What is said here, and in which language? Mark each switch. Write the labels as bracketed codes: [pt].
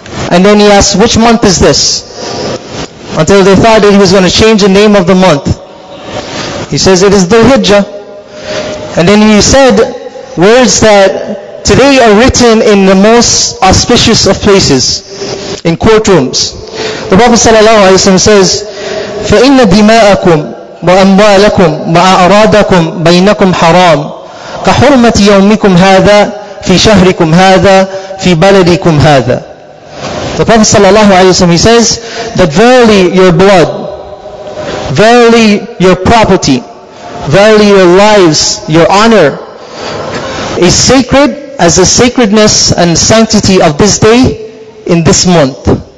[en] And then he asked, "Which month is this?" Until they thought that he was going to change the name of the month. He says, "It is Dhul Hijjah." And then he said words that today are written in the most auspicious of places, in courtrooms. The Prophet sallallahu alaihi wasallam says, [ar] فَإِنَّ دِمَاءَكُمْ وَأَمْوَالَكُمْ وَأَعْرَادَكُمْ بَيْنَكُمْ حَرَامٌ كَحُرْمَةِ يَوْمِكُمْ هَذَا فِي شَهْرِكُمْ هَذَا فِي بَلَدِكُمْ هَذَا. [en] The Prophet sallallahu alaihi wasallam, he says that verily your blood, verily your property, verily your lives, your honor is sacred as the sacredness and sanctity of this day in this month.